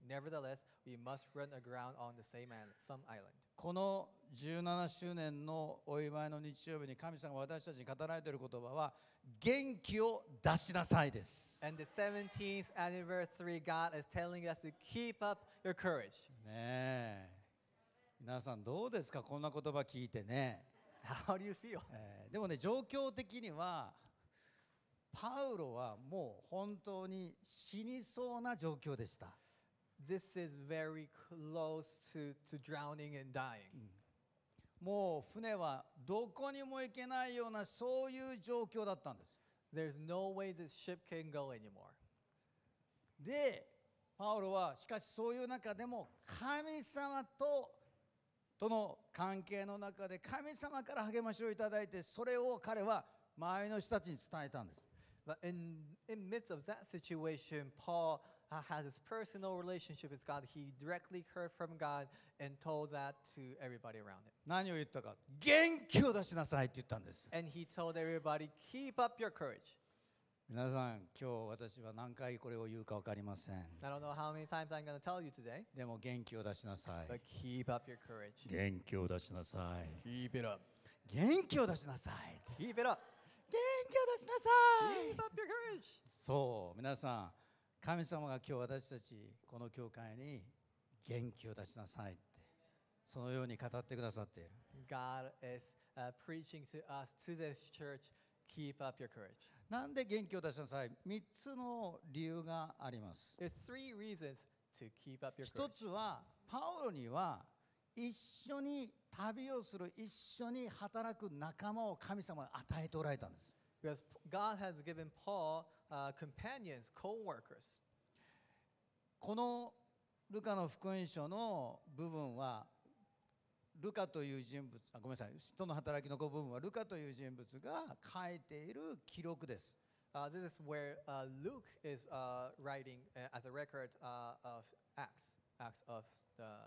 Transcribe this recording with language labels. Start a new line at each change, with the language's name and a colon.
English: Nevertheless, we must run aground on the same island, some island.
Japanese: この17周年のお祝いの日曜日に神様が私たちに語られている言葉は元気を出しなさいです。
English: And the 17th anniversary, God is telling us to keep up your courage.
Japanese: ねえ、皆さんどうですか、こんな言葉聞いてね。
English: How do you feel?
Japanese: でもね、状況的にはパウロはもう本当に死にそうな状況でした。
English: This is very close to drowning and dying.、うん、
Japanese: もう船はどこにも行けないようなそういう状況だったんです。
English: There's no way the ship can go anymore.
Japanese: で、パウロはしかしそういう中でも神様との関係の中で神様から励ましをいただいて、それを彼は周りの人たちに伝えたんです。
English: But in midst of that situation, Paul has his personal relationship with God. He directly heard from God and told that to everybody around him.
Japanese: 何を言ったか、元気を出しなさいって言ったんです。
English: And he told everybody, keep up your courage.
Japanese: 皆さん、今日私は何回これを言うか分かりません。
English: I don't know how many times I'm going to tell you today.
Japanese: でも元気を出しなさい。
English: But keep up your courage.
Japanese: 元気を出しなさい。
English: Keep it up.
Japanese: 元気を出しなさい。
English: Keep it up.
Japanese: 元気を出しなさい。
English: Keep up your courage.
Japanese: そう、皆さん、神様が今日私たちこの教会に元気を出しなさいってそのように語ってくださっている。
English: God is preaching to us to this church. Keep up your courage.
Japanese: なんで元気を出しなさい。 3つの理由があります。
English: There's three reasons to keep up your
Japanese: courage. 1つはパウロには一緒に旅をする、一緒に働く仲間を神様が与えておられたんです。
English: Because God has given Paul companions, co-workers.
Japanese: このルカの福音書の部分は、ルカという人物、あ、ごめんなさい、使徒の働きの部分はルカという人物が書いている記録です。
English: This is where Luke is writing as a record of Acts of the...